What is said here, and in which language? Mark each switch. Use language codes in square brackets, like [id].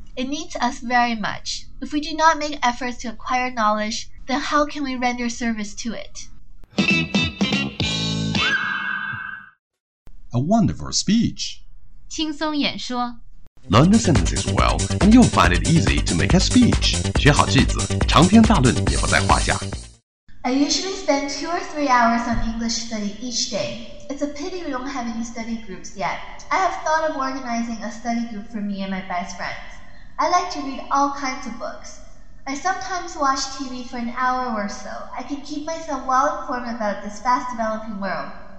[en] It needs us very much. If we do not make efforts to acquire knowledge, then how can we render service to it? A wonderful speech. [zh] 轻松演说。 [en] Learn the sentences well, and you'll find it easy to make a speech. [zh] 学好句子，长篇大论也不在话下。 [en] I usually spend 2 or 3 hours on English study each day. It's a pity we don't have any study groups yet. I have thought of organizing a study group for me and my best friends. I like to read all kinds of books. I sometimes watch TV for an hour or so. I can keep myself well informed about this fast-developing world.